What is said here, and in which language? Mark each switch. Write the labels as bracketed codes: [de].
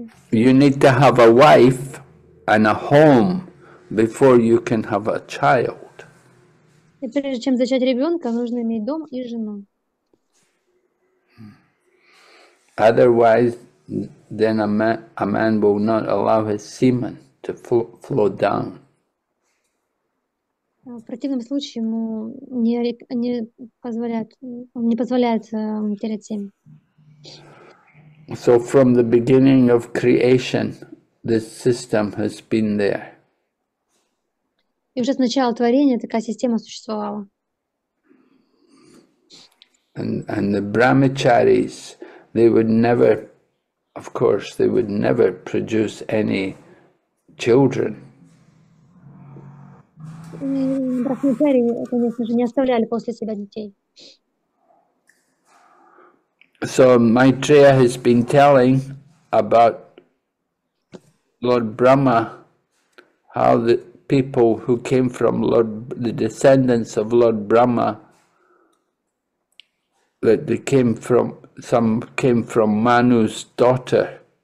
[en] You need to have a wife and a home before you can have a child. [ru] И прежде чем зачать ребенка, нужно иметь дом и жену. [en] Otherwise, then a man will not allow his semen to flow down. [ru] В противном случае ему не позволяет терять семя. [en] So from the beginning of creation, this system has been there. [ru] И уже с начала творения такая система существовала. [en] And the brahmacharis, they would never, of course, they would never produce any children. [ru] Брахмачари, конечно же, не оставляли после себя детей. [en] So Maitreya has been telling about Lord Brahma, how the people who came from the descendants of Lord Brahma, that they came from, some came from Manu's daughter.